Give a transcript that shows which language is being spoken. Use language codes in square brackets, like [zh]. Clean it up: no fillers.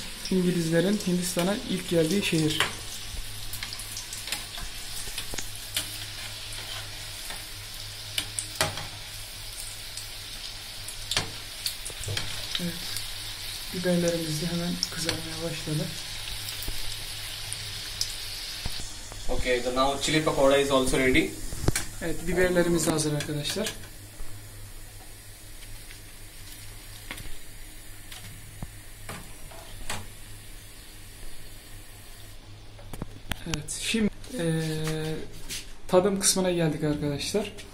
[tr] İngilizlerin Hindistan'a ilk geldiği şehir. Evet, biberlerimiz de hemen kızarmaya başladı. [en] Okay, so now chili pakora is also ready. [tr] Evet, biberlerimiz hazır arkadaşlar. Evet, şimdi tadım kısmına geldik arkadaşlar.